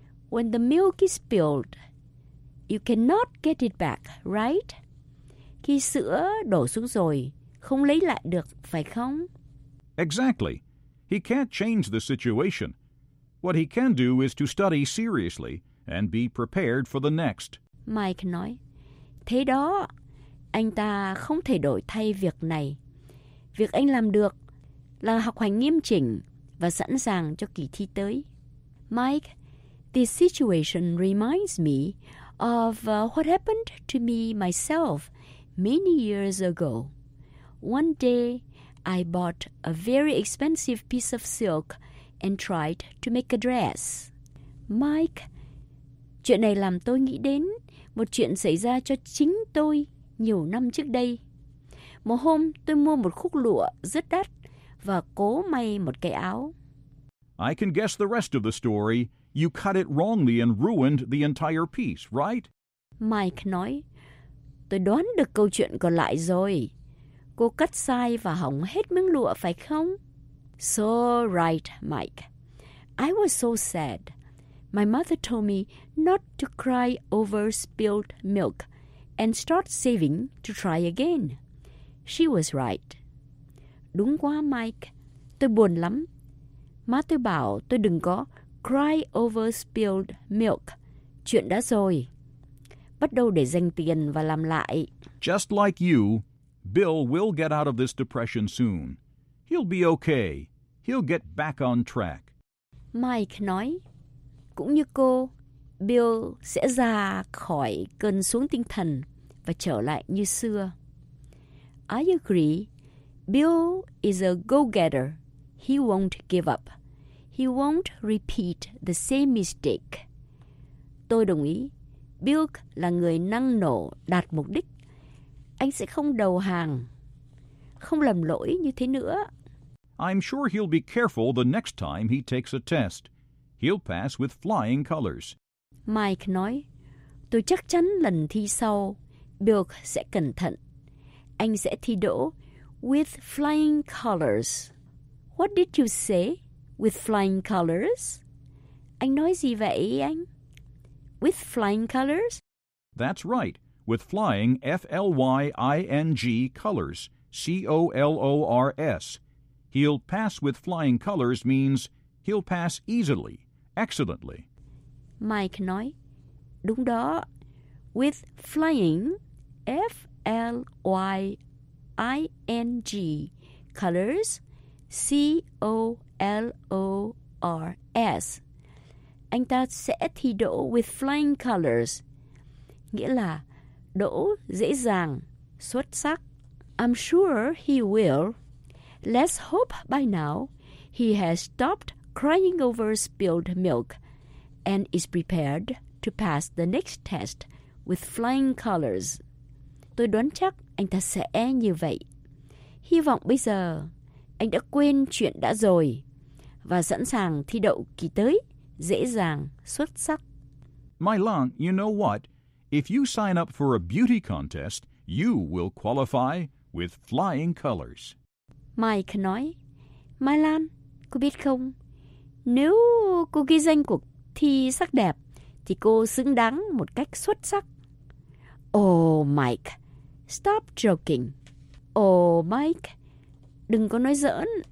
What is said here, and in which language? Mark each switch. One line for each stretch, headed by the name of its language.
English: When the milk is spilled, you cannot get it back, right?
Vietnamese: khi sữa đổ xuống rồi, không lấy lại được, phải không?
English: Exactly. He can't change the situation. What he can do is to study seriously and be prepared for the next.
Vietnamese: Mike nói, thế đó, anh ta không thể đổi thay việc này. Việc anh làm được là học hành nghiêm chỉnh và sẵn sàng cho kỳ thi tới.
English: Mike, this situation reminds me of what happened to me myself many years ago. One day, I bought a very expensive piece of silk and tried to make a dress.
Vietnamese: Mike, chuyện này làm tôi nghĩ đến một chuyện xảy ra cho chính tôi nhiều năm trước đây. Một hôm, tôi mua một khúc lụa rất đắt và cố may một cái áo.
English: I can guess the rest of the story. You cut it wrongly and ruined the entire piece, right?
Vietnamese: Mike nói, tôi đoán được câu chuyện còn lại rồi. Cô cắt sai và hỏng hết miếng lụa, phải không?
English: So right, Mike. I was so sad. My mother told me not to cry over spilled milk and start saving to try again. She was right.
Vietnamese: Đúng quá, Mike. Tôi buồn lắm. Má tôi bảo tôi đừng có
English: cry over spilled milk.
Vietnamese: Chuyện đã rồi. Bắt đầu để dành tiền và làm lại.
English: Just like you, Bill will get out of this depression soon. He'll be okay. He'll get back on track.
Vietnamese: Mike nói, cũng như cô, Bill sẽ ra khỏi cơn xuống tinh thần và trở lại như xưa.
English: I agree. Bill is a go-getter. He won't give up. He won't repeat the same mistake.
Vietnamese: Tôi đồng ý. Bill là người năng nổ đạt mục đích. Anh sẽ không đầu hàng, không lầm lỗi như thế nữa.
English: I'm sure he'll be careful the next time he takes a test. He'll pass with flying colors.
Vietnamese: Mike nói, tôi chắc chắn lần thi sau, Bill sẽ cẩn thận. Anh sẽ thi đỗ
English: with flying colors. What did you say with flying colors?
Vietnamese: Anh nói gì vậy anh?
English: With flying colors? That's right. With flying, F-L-Y-I-N-G, colors, C-O-L-O-R-S. He'll pass with flying colors means he'll pass easily, excellently. Mike
Vietnamese: nói, đúng đó.
English: With flying, F-L-Y-I-N-G, colors, C-O-L-O-R-S.
Vietnamese: Anh ta sẽ thi đỗ
English: with flying colors.
Vietnamese: Nghĩa là, đỗ dễ dàng, xuất sắc.
English: I'm sure he will. Let's hope by now he has stopped crying over spilled milk and is prepared to pass the next test with flying colors.
Vietnamese: Tôi đoán chắc anh ta sẽ như vậy. Hy vọng bây giờ anh đã quên chuyện đã rồi và sẵn sàng thi đậu kỳ tới dễ dàng, xuất sắc.
English: My Lan, you know what? If you sign up for a beauty contest, you will qualify with flying colors.
Vietnamese: Mike nói, Mai Lan, cô biết không? Nếu cô ghi danh cuộc thi sắc đẹp, thì cô xứng đáng một cách xuất sắc.
English: Oh, Mike, stop joking. Oh, Mike,
Vietnamese: đừng có nói giỡn.